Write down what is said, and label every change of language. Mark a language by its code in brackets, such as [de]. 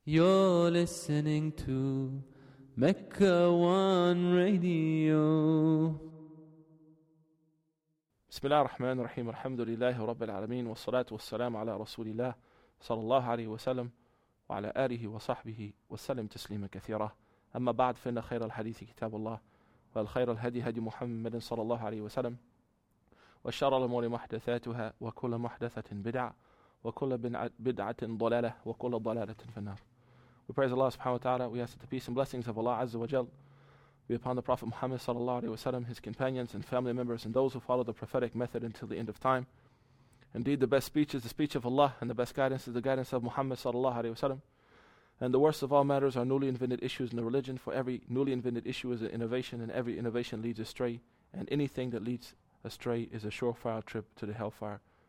[en] You're listening to Mecca One Radio. [ar] بسم الله الرحمن الرحيم. الحمد لله رب العالمين، والصلاة والسلام على رسول الله صلى الله عليه وسلم وعلى آله وصحبه وسلم تسليما كثيرا. أما بعد، فإن خير الحديث كتاب الله، والخير الهدي هدي محمد صلى الله عليه وسلم، وشر الأمور محدثاتها، وكل محدثة بدعة، وكل بدعة ضلالة، وكل ضلالة في النار. [en] We praise Allah subhanahu wa ta'ala. We ask that the peace and blessings of Allah azza wa jal be upon the Prophet Muhammad sallallahu alayhi wa sallam, his companions and family members, and those who follow the prophetic method until the end of time. Indeed, the best speech is the speech of Allah, and the best guidance is the guidance of Muhammad sallallahu alayhi wa sallam. And the worst of all matters are newly invented issues in the religion, for every newly invented issue is an innovation, and every innovation leads astray, and anything that leads astray is a surefire trip to the hellfire.